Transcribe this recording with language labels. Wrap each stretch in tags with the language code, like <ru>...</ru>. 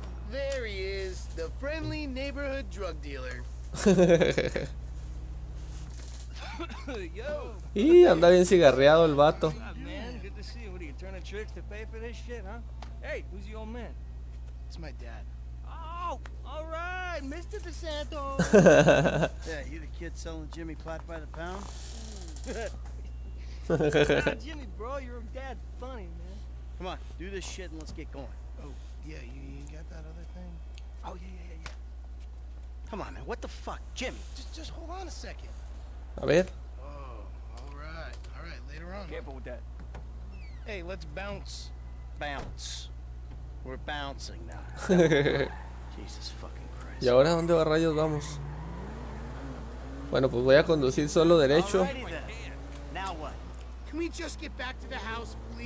<en>There he is, the friendly neighborhood drug dealer. Yo.</en> <es>Y anda bien cigarreado el vato.</es> <en>Man, good to see you. What are you turning tricks to pay for this shit, huh? Hey, who's the old man? It's my dad. Oh, all right, Mr. DeSanto. Yeah, you the kid selling Jimmy pot by the pound? Nah, Jimmy, bro, your dad's funny, man. Come on, do this shit and let's get going. Oh, yeah, you got that other thing? Oh, yeah. Come on, man, what the fuck? Jimmy, just hold on a second.</en> <es>A ver.</es> <en>Oh, all right, later on. Careful with that. Hey, let's bounce. Bounce. We're bouncing now. Jesus fucking Christ.</en> <es>¿Y ahora dónde va rayos vamos? Bueno, pues voy a conducir solo derecho.</es> <en>Now what? Can we just get back to the house?</en>